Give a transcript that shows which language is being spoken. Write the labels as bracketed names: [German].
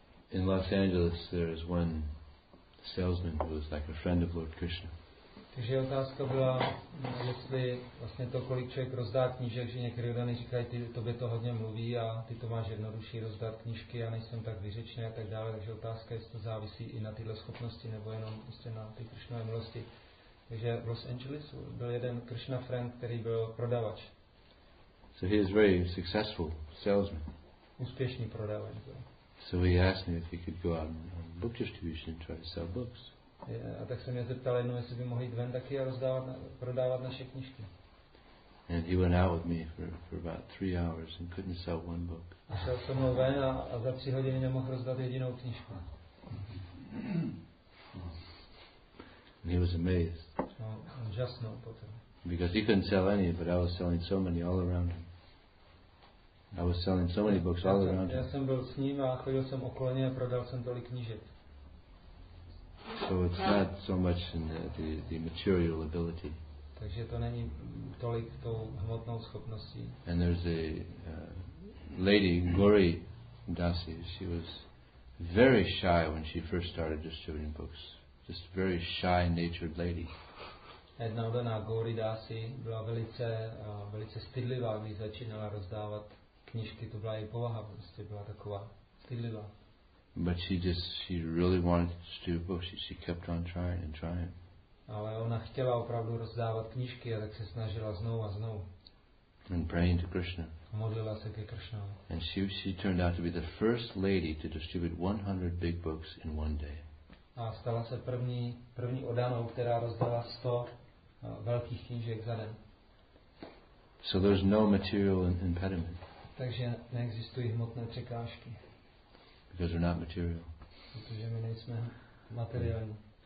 [English] In Los Angeles, there is one salesman who is like a friend of Lord Krishna. [Czech] Takže otázka byla, jestli vlastně to, kolik člověk rozdá knížek, že někdy lidé říkají, ty tobě to hodně mluví a ty to máš jednodušší rozdat knížky a nejsem tak vyřečný a tak dále. Takže otázka, jestli to závisí i na tyhle schopnosti nebo jenom prostě na ty Krishnové milosti. Takže v Los Angelesu byl jeden [English] Krishna friend, [Czech] který byl prodavač. [English] So he is very successful salesman. [Czech] Úspěšný prodavač. [English] So he asked me if he could go out on book distribution and try to sell books. [Czech] A tak se mě zeptal jednou, jestli by mohli jít ven taky a rozdávat, prodávat naše knížky. [English] And he went out with me for about 3 hours and couldn't sell one book. [Czech] A šel se mnou ven a za 3 hodiny nemohl rozdat jedinou knížku. [English] And he was amazed. [Czech] No, on žasnul potom. [English] Because he couldn't sell any, but I was selling so many all around him. I was selling so many books all around him. [Czech] Já jsem byl s ním a chodil jsem okolo něj a prodal jsem tolik knížek. [English] So it's not so much in the material ability. [Czech] Takže to není tolik tou hmotnou schopností. [English] And there's a lady, Gauri Dasi, she was very shy when she first started distributing books. Just a very shy natured lady. [Czech] Jedna odaná Gauri Dasi byla velice, velice stydlivá, když začínala rozdávat knížky. To byla její povaha, prostě byla taková stydlivá. [English] But she really wanted to distribute books. She kept on trying and trying. [Czech] Ale ona chtěla opravdu rozdávat knížky, a tak se snažila znovu a znovu. [English] And praying to Krishna. [Czech] A modlila se ke Krishnovi. [English] And she turned out to be the first lady to distribute 100 big books in one day. [Czech] A stala se první odanou, která rozdala 100 velkých knížek za den. [English] So there's no material impediment. [Czech] Takže neexistují hmotné překážky. [English] Because we're not material. [Czech] Protože my nejsme materiální.